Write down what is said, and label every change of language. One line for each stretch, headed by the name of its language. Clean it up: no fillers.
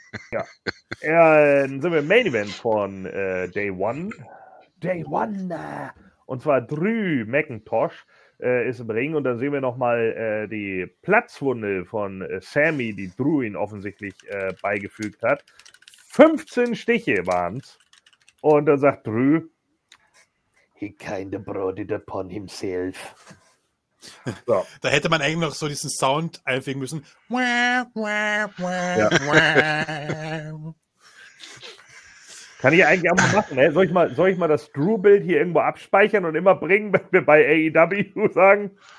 German: Ja, dann sind wir im Main Event von Day One. Day One! Und zwar Drew McIntosh ist im Ring und dann sehen wir nochmal die Platzwunde von Sammy, die Drew ihn offensichtlich beigefügt hat. 15 Stiche waren es. Und dann sagt Drew,
English: he kinda brought it upon himself.
German: So. Da hätte man eigentlich noch so diesen Sound einfügen müssen. Ja. Kann ich eigentlich auch mal machen, ne? Soll ich mal das Drew-Bild hier irgendwo abspeichern und immer bringen, wenn wir bei AEW sagen?